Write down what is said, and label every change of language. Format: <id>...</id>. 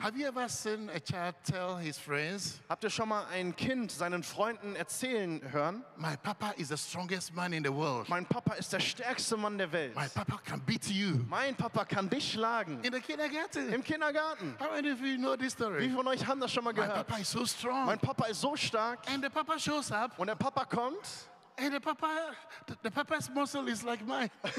<en>Have you ever seen a child tell his friends?</en> <de>Habt ihr schon mal ein Kind seinen Freunden erzählen hören?</de> <en>My papa is the strongest man in the world.</en> <de>Mein Papa ist der stärkste Mann der Welt.</de> <en>My papa can beat you.</en> <de>Mein Papa kann dich schlagen.</de> <en>In the kindergarten.</en> <de>Im Kindergarten.</de> <en>How many of you know this story?</en> <de>Wie von euch haben das schon mal gehört?</de> <en>My papa is so strong.</en> <de>Mein Papa ist so stark.</de> <en>And the papa shows up.</en> <de>Und der Papa kommt.</de> <en>Hey, the papa's muscle is like mine.</en>